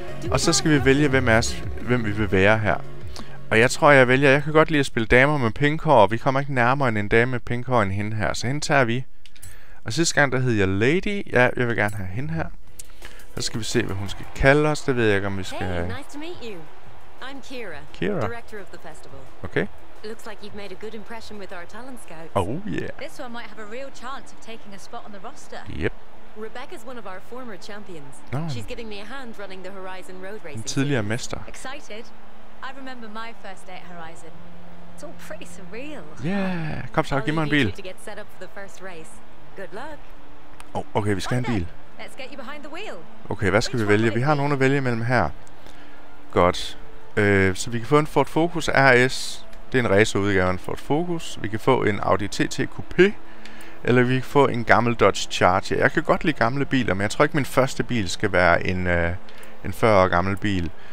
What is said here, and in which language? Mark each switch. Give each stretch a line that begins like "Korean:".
Danish: Og så skal vi vælge, hvem vi vil være her. Og jeg tror, jeg vælger, jeg kan godt lide at spille damer med pink hår, og vi kommer ikke nærmere end en dame med pink hår end hende her. Så hende tager vi. Og sidste gang, der hed jeg Lady. Ja, jeg vil gerne have hende her. Så skal vi se, hvad hun skal kalde os. Det ved jeg ikke, om vi skal...
English: Hey, nice to meet you. I'm Kira. Kira. Director of the festival. Okay. Looks like you've made a good impression with our talent scouts. Oh yeah. This one might have a real chance of taking a spot on the roster. Yep. Rebecca's one of our former champions. Oh. She's giving me a hand running the Horizon Road Racing.
Danish: En tidligere mester.
English: Excited. I remember my first day at Horizon. It's all pretty surreal.
Danish: Yeah. Kom så, giv mig en bil.
English: To get set up for the first race. Good luck.
Danish: Oh, okay, vi skal have en bil.
English: Let's get you behind the wheel.
Danish: Okay, hvad skal vi vælge? Vi har nogen at vælge mellem her. Godt. Så vi kan få en Ford Focus RS. Det er en raceudgave af en Ford Focus. Vi kan få en Audi TT Coupé. Eller vi kan få en gammel Dodge Charger. Jeg kan godt lide gamle biler, men jeg tror ikke, min første bil skal være en 40 år gammel bil.